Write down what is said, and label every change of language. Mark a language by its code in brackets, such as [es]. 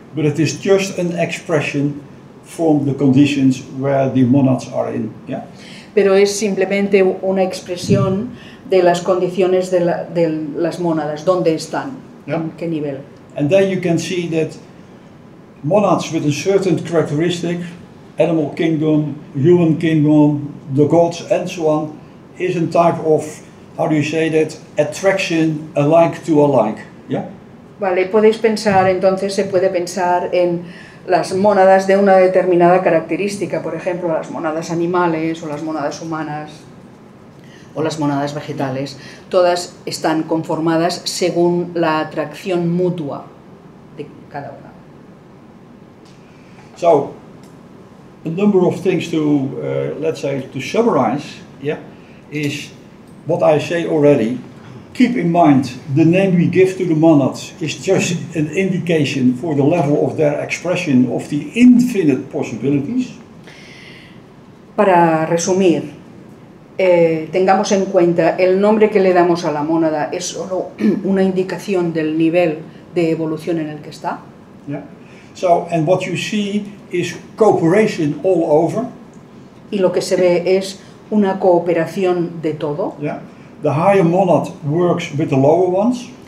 [en] But it is just an expression from the conditions where the monads are in, yeah. [es] Pero es simplemente una expresión de las condiciones de las monadas, dónde están, yeah, en qué nivel. [en] And then you can see that monads with a certain characteristic, animal kingdom, human kingdom, the gods and so on, is a type of, how do you say that, attraction alike to alike, yeah. [es] Vale, podéis pensar, entonces se puede pensar en las mónadas de una determinada característica, por ejemplo, las mónadas animales o las mónadas humanas o las mónadas vegetales, todas están conformadas según la atracción mutua de cada una. [en] So, a number of things to, let's say, to summarize, yeah, is what I say already. Keep in mind, the name we give to the monads is just an indication for the level of their expression of the infinite possibilities. [es] Para resumir, tengamos en cuenta, el nombre que le damos a la mónada es solo una indicación del nivel de evolución en el que está. [en] Yeah. So, and what you see is cooperation all over. [es] Y lo que se ve es una cooperación de todo. [en] Yeah. The higher monad works with the lower ones.